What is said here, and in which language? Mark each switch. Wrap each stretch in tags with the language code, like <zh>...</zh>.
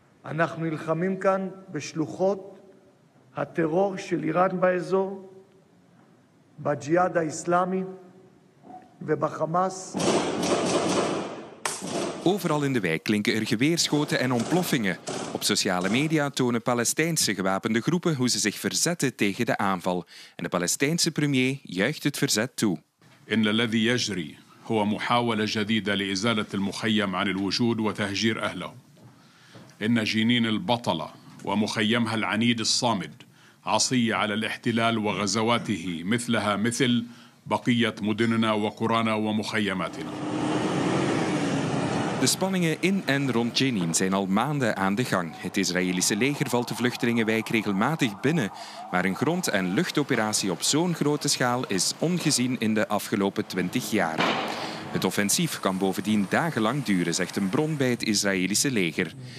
<he>אנחנו נלחמים כאן בשלוחות הטרור של איראן באזור, בג'יהאד האסלאמי ובחמאס.</he> <nl>Overal in de wijk klinken er geweerschoten en ontploffingen. Op sociale media tonen Palestijnse gewapende groepen hoe ze zich verzetten tegen de aanval. En de Palestijnse premier juicht het verzet toe.</nl> <ar>In الذي يجري هو محاولة جديدة لإزالة المخيم عن الوجود وتهجير أهله. إن جنين البطلة ومخيمها العنيد الصامد عصية على الاحتلال وغزواته مثلها مثل بقية مدننا وقرانا ومخيماتنا.</ar> <nl>De spanningen in en rond Jenin zijn al maanden aan de gang. Het Israëlische leger valt de vluchtelingenwijk regelmatig binnen. Maar een grond- en luchtoperatie op zo'n grote schaal is ongezien in de afgelopen 20 jaar. Het offensief kan bovendien dagenlang duren, zegt een bron bij het Israëlische leger.</nl>